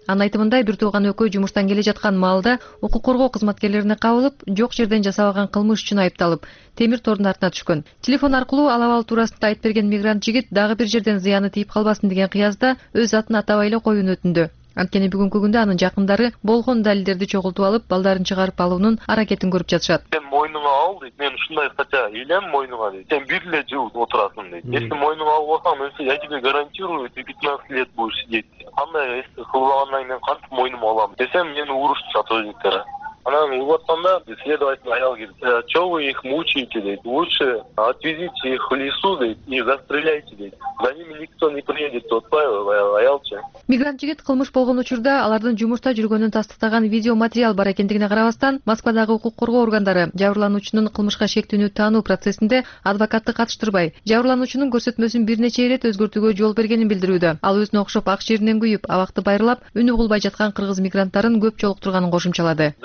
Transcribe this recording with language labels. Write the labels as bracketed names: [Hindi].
[Kyrgyz] Анын айтымында бир тууган өкөй жумуштан келе жаткан маалда укук коргоо кызматкерлерине кабылып, жок жерден жасалган кылмыш үчүн айыпталып, темир тордун артына түшкөн. Телефон аркылуу ал абал туурасында айтып берген мигрант жигит дагы бир жерден зыяны тийип калбасын деген кыязда өз атын атап эле коюуну өтүндү. Анткени бүгүнкү күндө анын жакындары болгон далилдерди чогултуп алып, балдарын чыгарып алуунун аракетин көрүп жатышат. Мен мойнуга ал дейт, мен ушундай кача ийлем мойнуга дейт, сен бир эле жыл отурасың дейт. [Russian] Если [Kyrgyz] мойнуга алып алсаң, мен [Russian] я тебе гарантирую, ты 15 лет будешь сидеть. [Kyrgyz] Кандай кылгандан кийин кантип мойнума алам десем, мени урушушат өзүнүктөр. Анан угуп атканда следователь аял келип, [Russian] че вы их мучаете дейт, лучше отвезите их в лесу дейт и застреляйте дейт. За ними никто не приедет, отпаивай аялча. [Kyrgyz] Мигрант жигит кылмыш болгон учурда алардын жумушта жүргөнүн тастыктаган видео материал бар экендигине карабастан, Москвадагы укук коргоо органдары жабырлануучунун кылмышка шектүүнү таануу процессинде адвокатты катыштырбай, жабырлануучунун көрсөтмөсүн бир нече ирет өзгөртүүгө жол бергенин билдирүүдө. Ал өзүнө окшоп ак жеринен күйүп, абакты байрылап, үнү угулбай жаткан кыргыз мигранттарын көп жолуктурганын кошумчалады.